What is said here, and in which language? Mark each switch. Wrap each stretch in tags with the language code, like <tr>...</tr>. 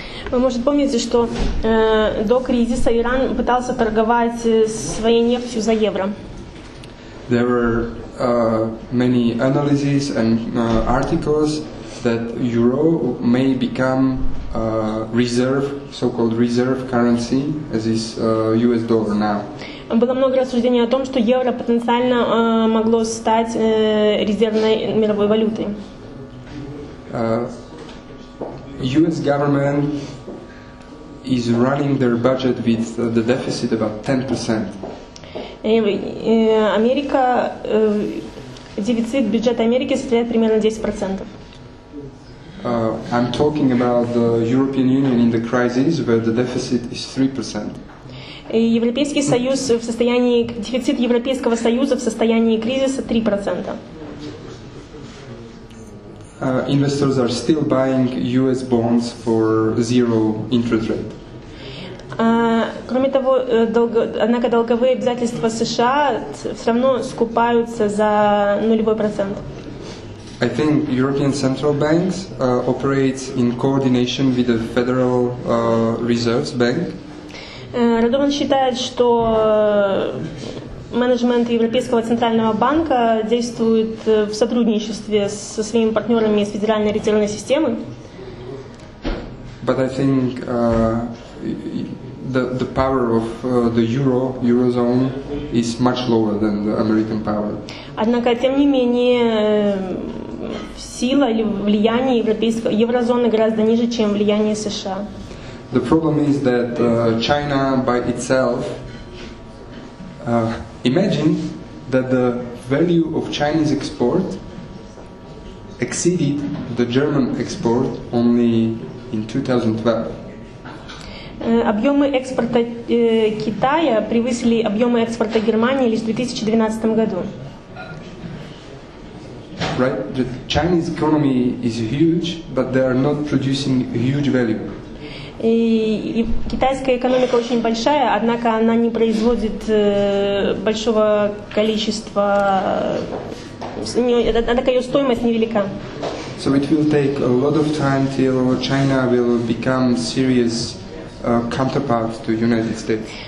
<ru>Вы, может, помните, что до кризиса Иран пытался торговать своей нефтью за евро.</ru> <en>There were many analyses and articles that euro may become reserve, so-called reserve currency, as is US dollar now.</en> <ru>Было много рассуждений о том, что евро потенциально могло стать резервной мировой валютой.</ru> <en>US government is running their budget with the deficit about 10%.</en> <ru>Америка, дефицит бюджета Америки составляет примерно 10%.</ru> <en>I'm talking about the European Union in the crisis, where the deficit is 3%.</en> <ru>Европейский союз в состоянии, дефицит Европейского союза в состоянии кризиса 3%.</ru> <en>Investors are still buying US bonds for zero interest rate.</en> <ru>Кроме того, однако долговые обязательства США все равно скупаются за нулевой процент.</ru> <en>I think European Central Banks operate in coordination with the Federal Reserve Bank.</en> <ru>Радован считает, что менеджмент Европейского центрального банка действует в сотрудничестве со своими партнерами из Федеральной резервной системы.</ru> <en>But I think the power of the euro, eurozone is much lower than the American power.</en> <ru>Однако, тем не менее, сила или влияние европейского еврозоны гораздо ниже, чем влияние США.</ru> <en>The problem is that China by itself, imagine that the value of Chinese export exceeded the German export only in 2012.</en> <ru>Объемы экспорта Китая превысили объемы экспорта Германии лишь в 2012 году.</ru> <en>Right, the Chinese economy is huge, but they are not producing huge value.</en> <ru>И китайская экономика очень большая, однако она не производит большого количества, однако ее стоимость невелика.</ru> <en>So it will take a lot of time till China will become serious counterpart to United States.</en>